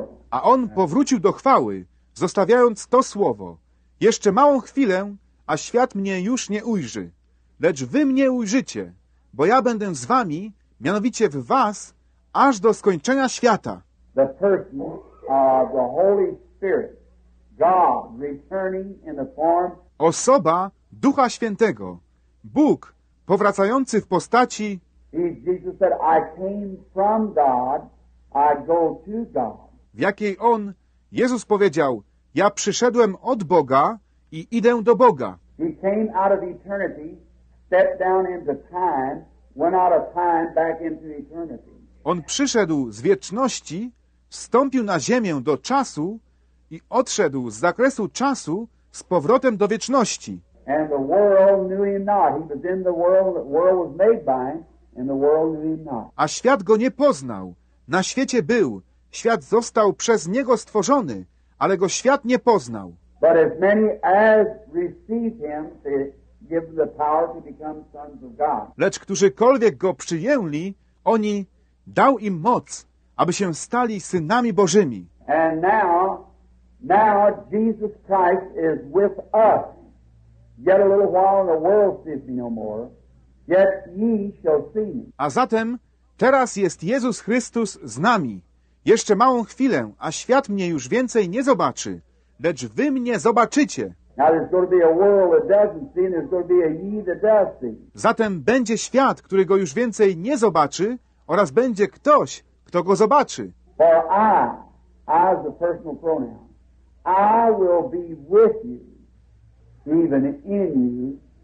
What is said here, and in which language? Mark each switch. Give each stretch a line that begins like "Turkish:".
Polish: A On powrócił do chwały, zostawiając to słowo. Jeszcze małą chwilę, a świat mnie już nie ujrzy. Lecz wy mnie ujrzycie, bo ja będę z wami, mianowicie w was, aż do skończenia świata.
English: The person of the Holy Spirit, God returning in the form...
Polish: Osoba Ducha Świętego, Bóg powracający w postaci
English: Jesus said, I came from God, I go to God.
Polish: W jakiej on, Jezus powiedział, ja przyszedłem od Boga i idę do Boga.
English: He came out of eternity, stepped down into time, went out of time back into eternity.
Polish: On przyszedł z wieczności, wstąpił na ziemię do czasu i odszedł z zakresu czasu z powrotem do wieczności.
English: And the world knew him not. He was in the world, the world was made by him. And the world knew him not.
Polish: A świat go nie poznał. Na świecie był. Świat został przez niego stworzony, ale go świat nie poznał.
English: But as many as received him, they give the power to become sons of God.
Polish: Lecz którzykolwiek go przyjęli, oni dał im moc, aby się stali synami Bożymi.
English: And now Jesus Christ is with us. Yet a little while and the world sees me no more. Yet ye shall see me.
Polish: A zatem teraz jest Jezus Chrystus z nami. Jeszcze małą chwilę, a świat mnie już więcej nie zobaczy, lecz wy mnie zobaczycie.
English: Now there's going to be a world that doesn't see, and there's going to be a ye that does see.
Polish: Zatem będzie świat, który go już więcej nie zobaczy, oraz będzie ktoś, kto go zobaczy.
English: For I as a personal pronoun, I will be with you, even in you.